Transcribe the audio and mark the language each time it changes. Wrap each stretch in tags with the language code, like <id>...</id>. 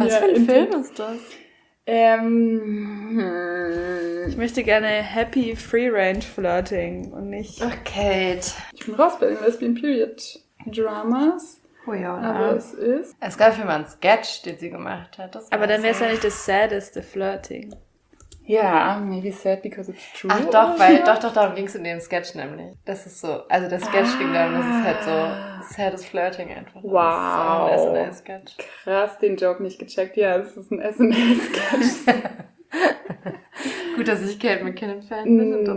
<de>Was für ein Film ist das? Ich möchte gerne</de> <en>happy free-range flirting</en> <de>und nicht... Ach, Kate. Ich bin raus bei den Lesbian Period Dramas. Oh ja, oder? Aber es ist. Es gab für mal einen Sketch, den sie gemacht hat. Das aber dann wäre es ja nicht das saddeste Flirting.</de> <en>Ja, maybe sad because it's true.</en> <de>Ach doch, weil darum ging es in dem Sketch nämlich. Das ist so, also der Sketch ging darum, das ist halt so saddest Flirting einfach. Wow. Das ist so ein SNL-Sketch. Krass, den Joke nicht gecheckt. Ja, es ist ein SNL-Sketch. Gut, dass ich Kate McKinnon-Fan bin und das</de>